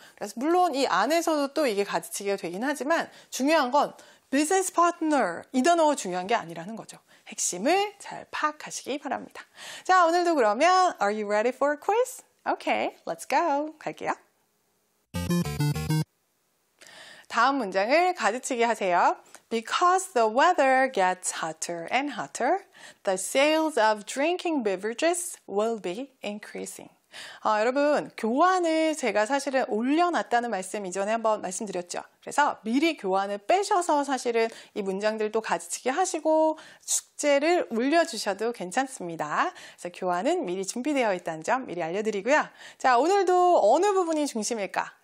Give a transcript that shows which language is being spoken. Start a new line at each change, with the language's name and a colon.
Korean: 그래서 물론 이 안에서도 또 이게 가지치기가 되긴 하지만 중요한 건 business partner, 이 단어가 중요한 게 아니라는 거죠. 핵심을 잘 파악하시기 바랍니다. 자, 오늘도 그러면
English: Are you ready for a quiz? Okay, let's go.
Korean: 갈게요. 다음 문장을 가지치기 하세요.
English: Because the weather gets hotter and hotter, the sales of drinking beverages will be increasing.
Korean: 여러분, 교환을 제가 사실은 올려놨다는 말씀 이전에 한번 말씀드렸죠. 그래서 미리 교환을 빼셔서 사실은 이 문장들도 가지치기 하시고 숙제를 올려주셔도 괜찮습니다. 그래서 교환은 미리 준비되어 있다는 점 미리 알려드리고요. 자, 오늘도 어느 부분이 중심일까?